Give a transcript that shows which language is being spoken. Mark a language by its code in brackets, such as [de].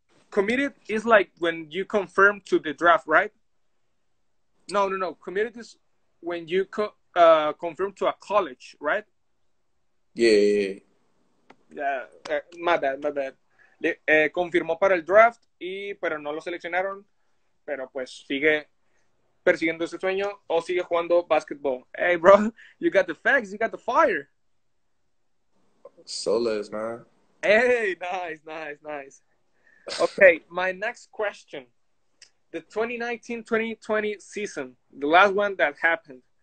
[en] Committed is like when you confirm to the draft, right? No. Committed is when you confirm to a college, right? Yeah. My bad. [es] confirmó para el draft, pero no lo seleccionaron, pero pues sigue persiguiendo ese sueño o sigue jugando basketball. [en] Hey, bro, you got the facts, you got the fire. Solas, man. Hey, nice, nice, nice. Okay, my next question. The 2019-2020 season, the last one that happened.